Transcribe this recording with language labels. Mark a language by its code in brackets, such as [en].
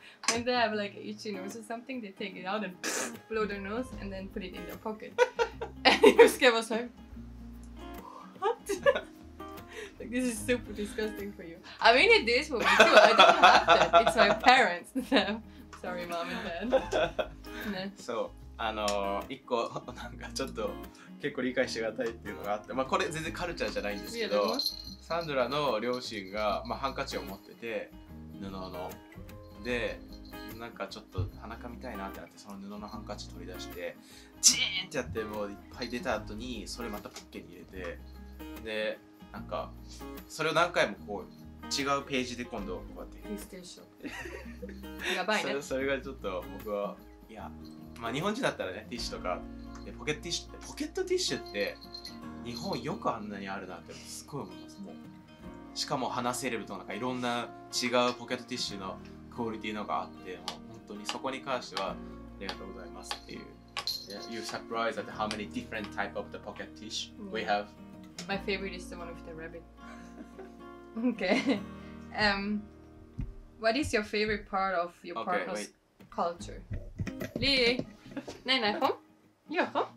[en] When they have like an itchy nose or something, they take it out and blow their nose and then put it in their pocket. And Yusuke was like, what? Like, this is super disgusting for you. I mean, it is for me too. I don't have that. It's my parents. Sorry, mom and dad. [ja] So, 一個なんかちょっと結構理解しがたいっていうのがあって、まあ、これ全然カルチャーじゃないんですけど、サンドラの両親が、まあ、ハンカチを持ってて、布の。で、なんかちょっと鼻かみたいなってなって、その布のハンカチ取り出して、チーンってやって、もういっぱい出た後に、それまたポッケに入れて、で、なんか、それを何回もこう、違うページで今度こうやって。ミステーション。やばいね。それがちょっと僕は、いや、まあ日本人だったらね、ティッシュとか、でポケットティッシュって、ポケットティッシュって、日本よくあんなにあるなって、すごい思います。もう、しかも鼻セレブとなんかいろんな違うポケットティッシュの、クオリティのがあって、もう本当にそこに関してはありがとうございますっていう。 [en] Yeah, you're surprised at how many different type of the pocket tissue we have. My favorite is the one with the rabbit. Okay. What is your favorite part of your partner's culture? [de] Lee, nein, nein, komm. Ja, komm.